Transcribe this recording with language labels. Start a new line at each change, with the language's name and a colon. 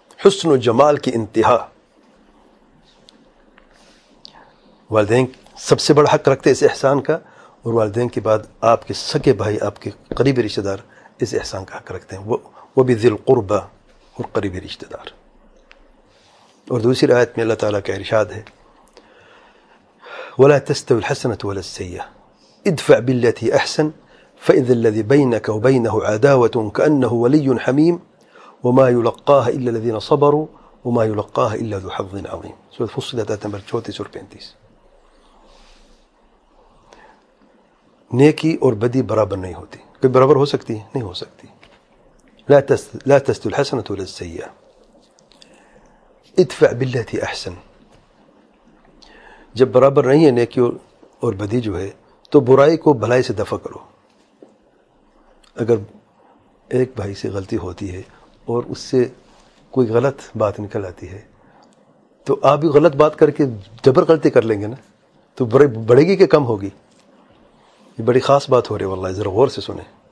Urdu: حسن و جمال کی انتہا. والدین سب سے بڑا حق رکھتے اس احسان کا، اور والدین کے بعد آپ کے سگے بھائی، آپ کے قریبی رشتہ دار اس احسان کا حق رکھتے ہیں، وہ بھی ذی القربہ اور قریبی رشتہ دار.
Arabic: اور دوسری آیت میں اللہ تعالیٰ کا ارشاد ہے، ولا تستوي الحسنة ولا السيئة ادفع بالتي احسن فإذا الذي بينك وبينه عداوة كأنه ولي حميم وما يلقاها الا الذين صبروا وما يلقاها الا ذو حظ عظيم، سورة فصلت
Urdu: آیت نمبر 34. نیکی اور بدی برابر نہیں ہوتی. کوئی برابر ہو سکتی؟ نہیں ہو سکتی.
Arabic: لا تستوي الحسنة ولا السيئة ادفع بالتي احسن.
Urdu: جب برابر نہیں ہے نیکی اور بدی جو ہے، تو برائی کو بھلائی سے دفع کرو. اگر ایک بھائی سے غلطی ہوتی ہے اور اس سے کوئی غلط بات نکل آتی ہے، تو آپ بھی غلط بات کر کے جبر غلطی کر لیں گے نا، تو برائی بڑھے گی کہ کم ہوگی؟ یہ بڑی خاص بات ہو رہی ہے، واللہ ذرا غور سے سنیں.